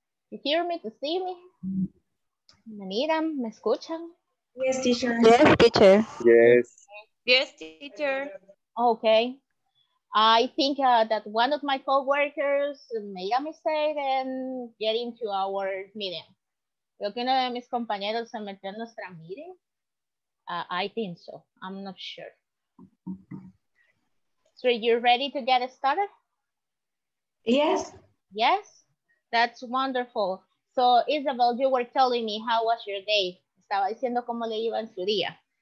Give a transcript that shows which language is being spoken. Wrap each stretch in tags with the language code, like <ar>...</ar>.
<en>You hear me, to see me? Manira,</en> <es>¿me escuchan?</es> <en>Yes, teacher. Yes, teacher. Yes. Yes, teacher. Okay. I think that one of my coworkers made a mistake in getting to our meeting.</en> <es>Creo que uno de mis compañeros se metió en nuestra meeting.</es> <en>I think so. I'm not sure. So you're ready to get started? Yes. Yes? That's wonderful. So, Isabel, you were telling me how was your day.</en> <es>Estaba diciendo cómo le iba en su día.</es>